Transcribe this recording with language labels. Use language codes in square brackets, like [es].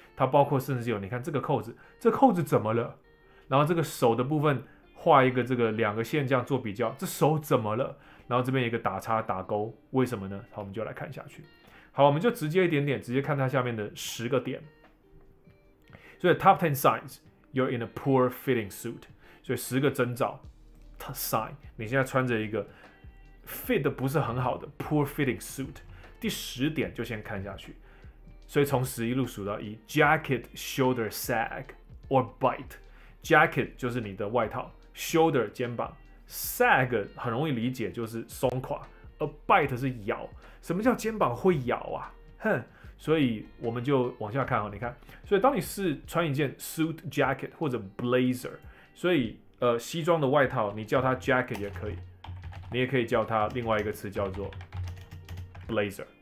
[zh] 它包括甚至有，你看这个扣子，这扣子怎么了？然后这个手的部分画一个这个两个线这样做比较，这手怎么了？然后这边一个打叉打勾，为什么呢？好，我们就来看下去。好，我们就直接一点点直接看它下面的十个点。 [en] 所以 Top 10 signs You're in a poor fitting suit， [zh] 所以十个征兆 [en] sign， [zh] 你现在穿着一个 [en] fit [zh] 的不是很好的 [en] poor fitting suit。 [zh] 第十点就先看下去，所以从十一路数到一， [en] jacket shoulder sag or bite。 [zh] jacket 就是你的外套， shoulder 肩膀， sag 很容易理解就是松垮， a bite 是咬。什么叫肩膀会咬啊？哼，所以我们就往下看。你看，所以当你是穿一件 suit jacket 或者 blazer，所以西装的外套你叫它 jacket 也可以，你也可以叫它另外一个词叫做 blazer。